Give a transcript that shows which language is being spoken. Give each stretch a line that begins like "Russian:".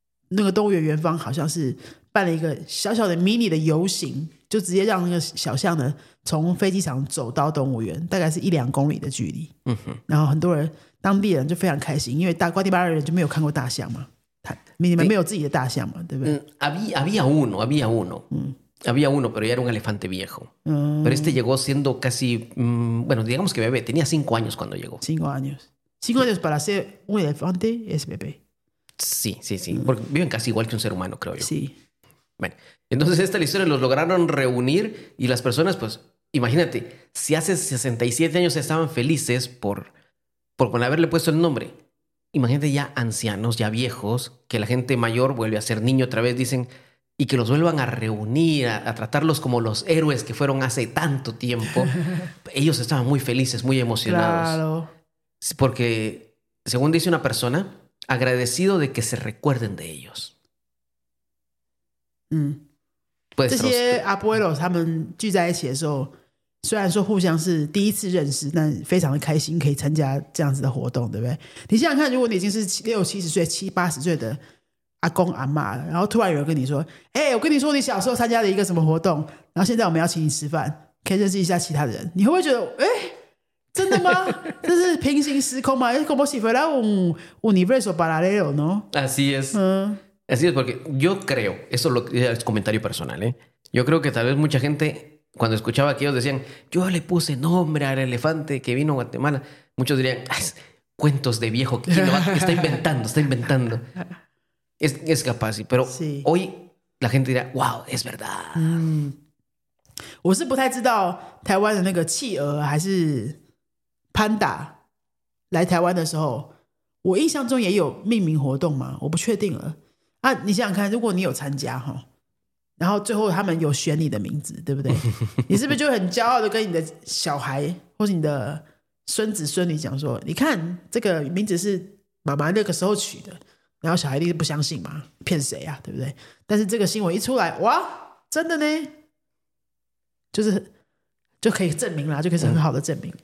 Chinese: Este es el 办了一个小小的 mini 的游行，就直接让那个小象呢从飞机场走到动物园，大概是一两公里的距离。然后很多人，当地人就非常开心，因为瓜地马拉人就没有看过大象嘛，你们没有自己的大象嘛，对不对？
Spanish: Había uno, pero ya era un elefante viejo. Pero este llegó siendo casi, bueno, digamos que bebé, tenía 5 años cuando llegó. 5 años para ser un elefante es bebé. Sí, porque viven casi igual que un ser humano, creo yo. Sí. Bueno, entonces esta historia los lograron reunir y las personas, pues, imagínate, si hace 67 años estaban felices por haberle puesto el nombre, imagínate ya ancianos, ya viejos, que la gente mayor vuelve a ser niño otra vez, dicen, y que los vuelvan a reunir, a tratarlos como los héroes que fueron hace tanto tiempo. Ellos estaban muy felices, muy emocionados. Claro. Porque, según dice una persona, agradecido de que se recuerden de ellos.
Chinese: 嗯，这些阿波罗他们聚在一起的时候，虽然说互相是第一次认识，但非常的开心可以参加这样子的活动，对不对？你想想看，如果你已经是60-70岁、70-80岁的阿公阿嬷，然后突然有人跟你说：“哎，我跟你说，你小时候参加了一个什么活动，然后现在我们要请你吃饭，可以认识一下其他的人。” 你会不会觉得：“哎，真的吗？这是平行时空吗？”
Spanish: Es como si fuera un universo paralelo, ¿no? Así es. Así es, porque yo creo, eso es comentario personal, ¿eh? Yo creo que tal vez mucha gente, cuando escuchaba que ellos decían, yo le puse nombre al elefante que vino a Guatemala, muchos dirían, cuentos de viejo, ¿quién lo está inventando. Es capaz, pero sí. Hoy la gente dirá, wow, es verdad. Yo no sé si es Taiwán de la chica o panda, cuando vino a Taiwán, en mi recuerdo, ¿hay una actividad de nombre? No lo sé.
Chinese: 那你想想看，如果你有参加哈，然后最后他们有选你的名字，对不对？你是不是就很骄傲的跟你的小孩或是你的孙子孙女讲说，你看这个名字是妈妈那个时候取的，然后小孩一定是不相信嘛，骗谁啊，对不对？但是这个新闻一出来，哇，真的呢，就是就可以证明啦，就可以是很好的证明。